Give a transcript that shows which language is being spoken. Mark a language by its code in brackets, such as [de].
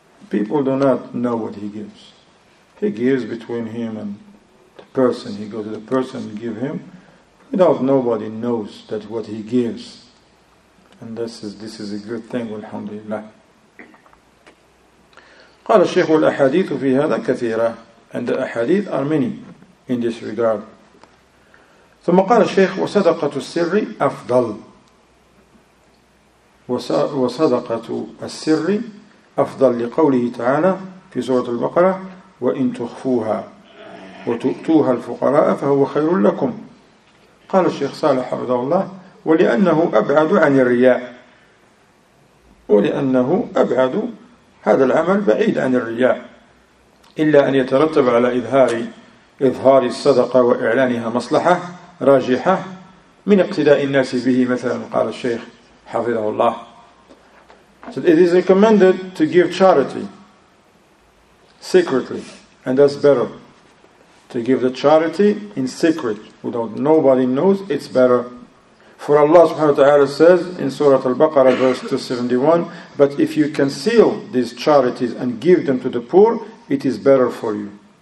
[en] People do not know what he gives. He gives between him and the person. He goes to the person and give him. Without nobody knows that what he gives. And this is a good thing, alhamdulillah. [ar] قال الشيخ الأحاديث في هذا كثيرة. [en] And the ahadith are many. in this regard. [ar] ثم قال الشيخ وصدقة السر أفضل وصدقة السر أفضل لقوله تعالى في سورة البقرة وإن تخفوها وتؤتوها الفقراء فهو خير لكم. قال الشيخ صالح حفظه الله ولأنه أبعد عن الرياء ولأنه أبعد هذا العمل بعيد عن الرياء إلا أن يترتب على إظهار الصدقة وإعلانها مصلحة راجحة من اقتداء الناس به مثلا قال الشيخ حفظه الله. [en] So it is recommended to give charity secretly, and that's better. To give the charity in secret, without nobody knows, it's better. For Allah subhanahu wa ta'ala says in Surah Al-Baqarah verse 271, but if you conceal these charities and give them to the poor, it is better for you.